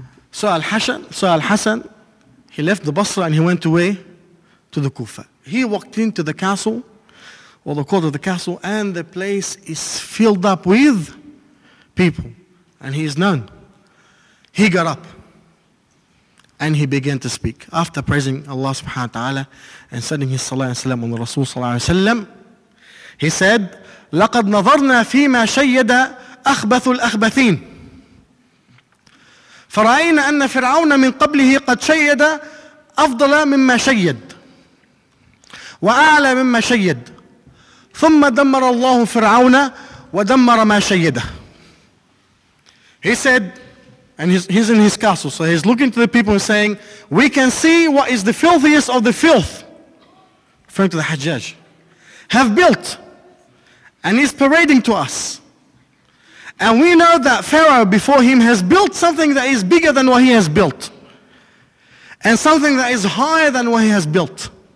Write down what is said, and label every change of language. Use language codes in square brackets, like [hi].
[en] So Al-Hasan, he left the Basra and he went away to the Kufa. He walked into the castle, or the court of the castle, and the place is filled up with people. And he is known. He got up and he began to speak. After praising Allah subhanahu wa ta'ala and sending his salah and salam on the Rasul sallallahu alayhi wa sallam, he said, [ar] لقد نظرنا فيما شيد أخبث الأخبثين فرأينا أن فرعون من قبله قد شيد أفضل مما شيد وأعلى مما شيد ثم دمر الله فرعون ودمر ما شيده. [en] He said, and he's in his castle, so he's looking to the people and saying, we can see what is the filthiest of the filth. referring to the Hajjaj, have built, and he's parading to us. And we know that Pharaoh before him has built something that is bigger than what he has built, and something that is higher than what he has built.